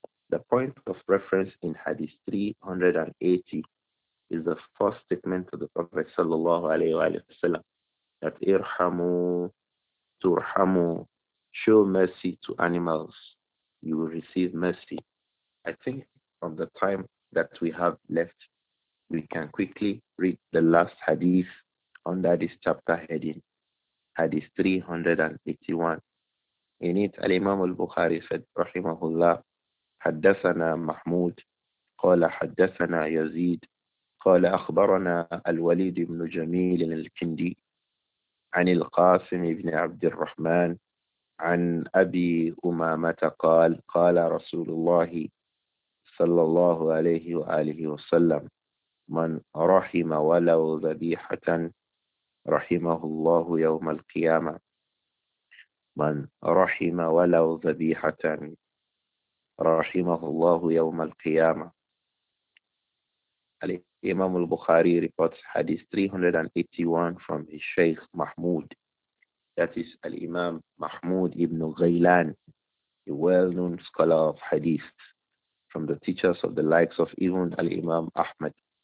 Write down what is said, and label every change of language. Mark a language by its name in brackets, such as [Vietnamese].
[English] The point of reference in Hadith 380 is the first statement of the Prophet sallallahu alayhi wa sallam, that [Arabic] irhamu turhamu, [English] show mercy to animals, you will receive mercy. I think from the time that we have left, we can quickly read the last hadith under this chapter heading, hadith 381. In it, Al-Imam al-Bukhari said, Rahimahullah, [Arabic] حدثنا محمود قال حدثنا يزيد قال أخبرنا الوليد بن جميل الكندي عن القاسم بن عبد الرحمن عن أبي أمامة قال قال رسول الله صلى الله عليه وآله وسلم من رحم ولو ذبيحة رحمه الله يوم القيامة من رحم ولو ذبيحة رحمه الله يوم القيامة. [English] Imam al-Bukhari reports hadith 381 from his Shaykh Mahmud, that is Al-Imam Mahmud ibn Ghailan, a well-known scholar of hadith from the teachers of the likes of even Al-Imam Ahmad.